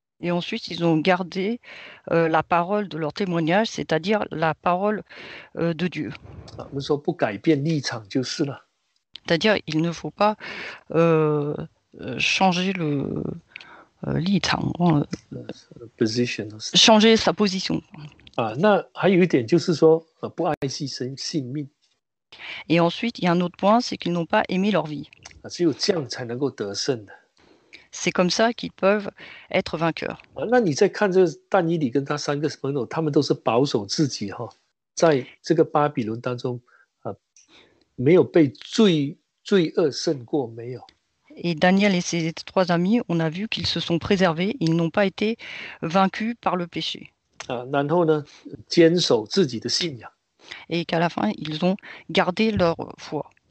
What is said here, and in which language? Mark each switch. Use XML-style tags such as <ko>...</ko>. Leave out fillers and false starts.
<fr>Et ensuite, ils ont gardé la parole de leur témoignage, c'est-à-dire la parole de Dieu.</fr> <zh>Ah, 我们说不改变立场就是了。</zh> <fr>C'est-à-dire, il ne faut pas changer le立场, position changer sa position.</fr> <zh>那还有一点就是说，不爱惜生命。</zh> <fr>Et ensuite, il y a un autre point, c'est qu'ils n'ont pas aimé leur vie.</fr> <zh>Ah，只有这样才能够得胜的。</zh> <fr>C'est comme ça qu'ils peuvent être vainqueurs.</fr> <zh>Ah，那你再看这丹尼里跟他三个朋友，他们都是保守自己哈，在这个巴比伦当中，没有被罪恶胜过没有。</zh> <fr>Et Daniel et ses trois amis, on a vu qu'ils se sont préservés, ils n'ont pas été vaincus par le péché.</fr> <zh>然后呢，坚守自己的信仰。</zh> <fr>Et qu'à la fin, ils ont gardé leur foi.</fr>